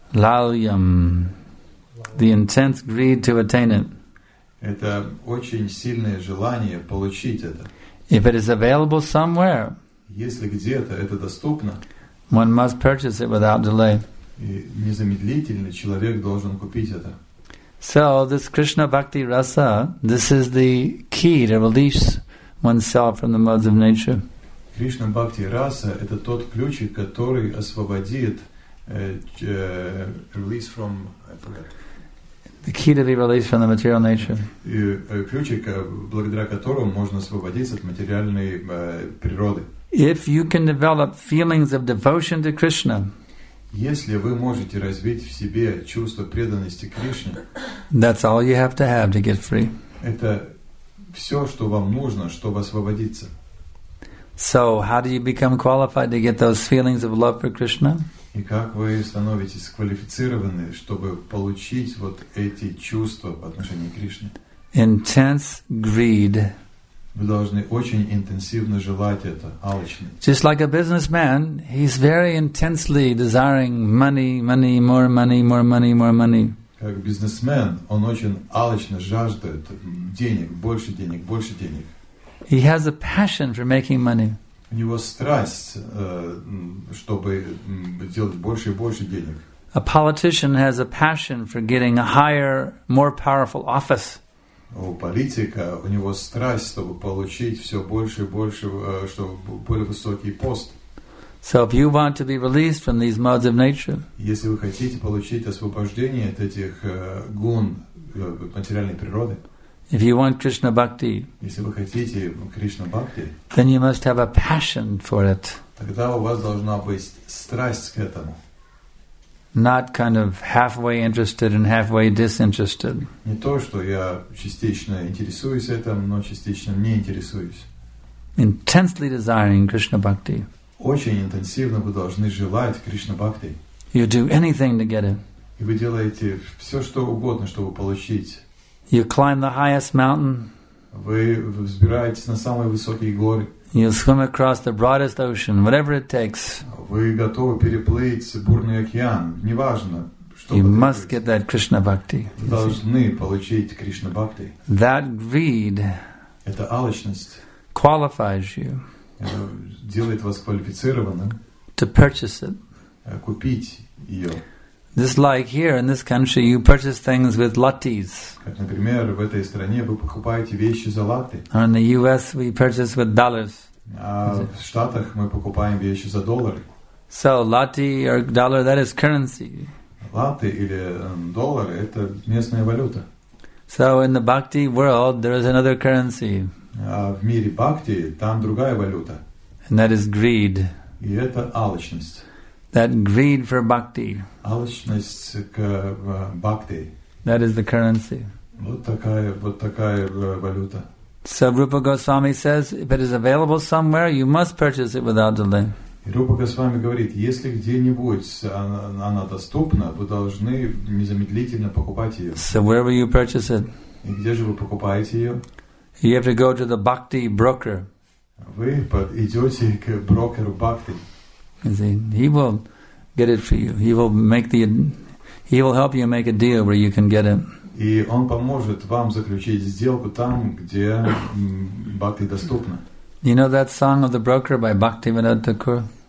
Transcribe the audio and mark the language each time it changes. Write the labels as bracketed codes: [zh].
[en] Lalyam. The intense greed to attain it. [ru] Это очень сильное желание получить это. [en] If it is available somewhere, [ru] если где-то это доступно, [en] one must purchase it without delay. [ru] И незамедлительно человек должен купить это. [en] So this Krishna Bhakti Rasa, this is the key to release oneself from the modes of nature. [ru] Krishna Bhakti Rasa это тот ключик, который освободит [en] release from the key to be released from the material nature. [ru] Ключик, благодаря которому можно освободиться от материальной природы. [en] If you can develop feelings of devotion to Krishna, [ru] если вы можете развить в себе чувство преданности Кришне, [en] that's all you have to have to get free. [ru] Это все, что вам нужно, чтобы освободиться. [en] So, how do you become qualified to get those feelings of love for Krishna? [ru] И как вы становитесь квалифицированы, чтобы получить вот эти чувства по отношению к Кришне? [en] Intense greed. [ru] Вы должны очень интенсивно желать это, алчно. [en] Just like a businessman, he's very intensely desiring money, money, more money, more money, more money. [ru] Как бизнесмен, он очень алчно жаждет денег, больше денег, больше денег. [en] He has a passion for making money. [ru] У него страсть, чтобы делать больше и больше денег. [en] A politician has a passion for getting a higher, more powerful office. [ru] У политика, у него страсть, чтобы получить все больше и больше, чтобы более высокий пост. [en] So if you want to be released from these modes of nature, [ru] если вы хотите получить освобождение от этих гун материальной природы, [en] if you want Krishna bhakti, [ru] если вы хотите Кришна бхакти, [en] then you must have a passion for it. [ru] Тогда у вас должна быть страсть к этому. [en] Not kind of halfway interested and halfway disinterested. [ru] Не то, что я частично интересуюсь этим, но частично не интересуюсь. [en] Intensely desiring Krishna bhakti. [ru] Очень интенсивно вы должны желать Кришна бхакти. [en] You do anything to get it. [ru] И вы делаете все, что угодно, чтобы получить. [en] You climb the highest mountain. [ru] Вы взбираетесь на самые высокие горы. [en] You swim across the broadest ocean, whatever it takes. [ru] Вы готовы переплыть бурный океан, неважно, что. [en] You must get that Krishna bhakti. [ru] Вы должны получить Кришна бхакти. [en] That greed. [ru] Эта алчность. [en] Qualifies you. [ru] Делает вас квалифицированным. [en] To purchase it. [ru] Купить ее. [en] Just like here in this country, you purchase things with lattes. [ru] Например, в этой стране вы покупаете вещи за латы. [en] Or in the U.S., we purchase with dollars. [ru] А в Штатах мы покупаем вещи за доллары. [en] So latte or dollar, that is currency. [ru] Латы или доллары – это местная валюта. [en] So in the bhakti world, there is another currency. [ru] А в мире бхакти там другая валюта. [en] And that is greed. [ru] И это алчность. [en] That greed for bhakti. [ru] Алчность к бхакти. [en] That is the currency. [ru] Вот такая валюта. [en] So Rupa Goswami says, if it is available somewhere, you must purchase it without delay. [ru] И Рупа Госвами говорит, если где-нибудь она доступна, вы должны незамедлительно покупать ее. [en] So where will you purchase it? [ru] И где же вы покупаете ее? [en] You have to go to the bhakti broker. [ru] Вы идете к брокеру бхакти. [en] He will get it for you. He will help you make a deal where you can get it. [ru] и он поможет вам заключить сделку там, где бхакти доступна. [en] You know that song of the broker by Bhaktivinoda Thakur?